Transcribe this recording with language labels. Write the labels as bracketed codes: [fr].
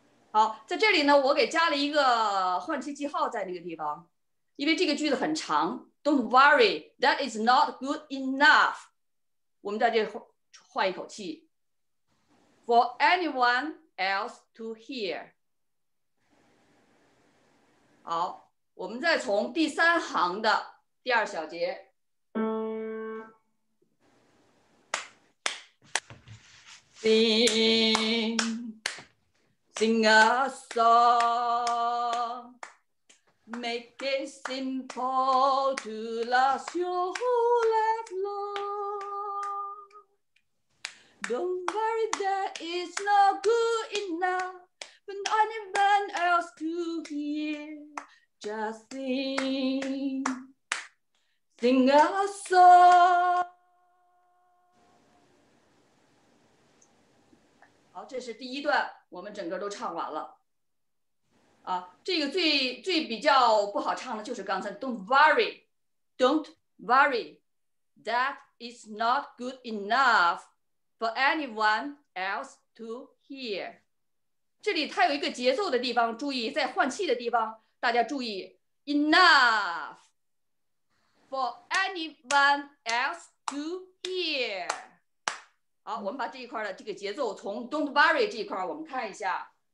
[zh] 好，在这里呢，我给加了一个换气记号在那个地方，因为这个句子很长。 [en] Don't worry, that is not good enough. [zh] 我们在这换一口气。 [en] For anyone. Else to hear. [zh] 好，我们再从第三行的第二小节。 [en] Sing, sing a song. Make it simple to last your whole life long. Don't worry that it's not good enough for anyone else to hear. Just sing, sing a song. [zh] 好，这是第一段，我们整个都唱完了。啊，这个最比较不好唱的就是刚才 [en] Don't worry, don't worry, that is not good enough. For anyone else to hear. [zh] 这里它有一个节奏的地方，注意在换气的地方，大家注意 [en] enough for anyone else to hear. [zh] 好，我们把这一块的这个节奏从 [en] Don't worry [zh] 这一块我们看一下。